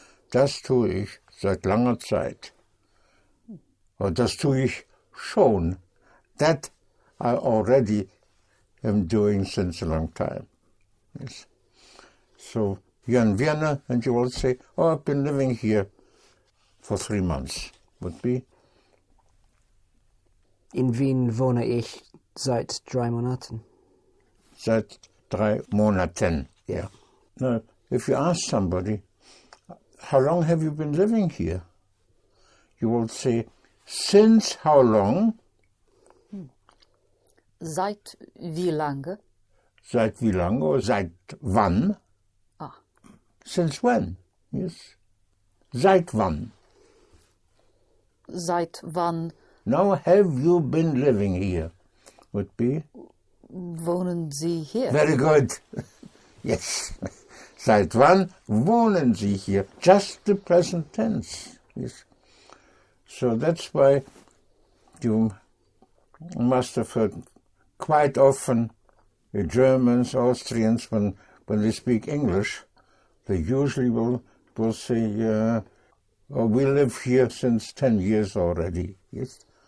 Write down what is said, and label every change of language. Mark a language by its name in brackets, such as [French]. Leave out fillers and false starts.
[German] Das tue ich seit langer Zeit. Und das tue ich schon. [English] That I already am doing since a long time. Yes. So, you're in Vienna and you will say, oh, I've been living here for 3 months. Would be? [German] In Wien wohne ich seit 3 Monaten. Seit 3 Monaten, yeah. [English] Now, if you ask somebody, how long have you been living here? You will say, since how long? [German] Seit wie lange? Seit wie lange or seit wann? [English] Since when? Yes. [German] Seit wann? Seit wann? [English] Now, have you been living here? Would be? [German] Wohnen Sie hier? [English] Very good. Yes. [German] Seit wann wohnen Sie hier? [English] Just the present tense. Yes. So that's why you must have heard quite often the Germans, Austrians, when they speak English, they usually will say, oh, we live here since 10 years already. Yes.